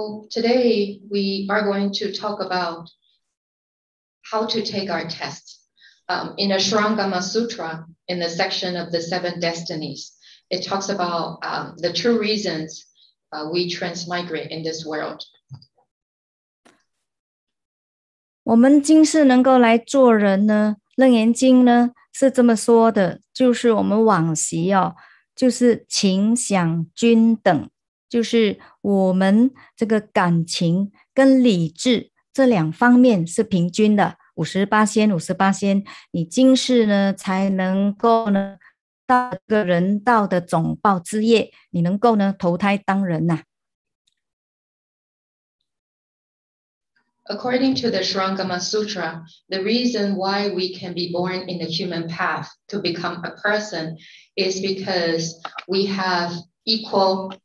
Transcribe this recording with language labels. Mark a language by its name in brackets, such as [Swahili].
[English] today we are going to talk about how to take our tests. In the Sharangama Sutra, in the section of the seven destinies, it talks about the two reasons we transmigrate in this world. [Chinese] 我们今世能够来做人呢，《楞严经》呢是这么说的，就是我们往昔哦，就是情想均等，就是我们这个感情跟理智这两方面是平均的。 [English] According to the Sharangama Sutra, the reason why we can be born in the human path to become a person is because we have equal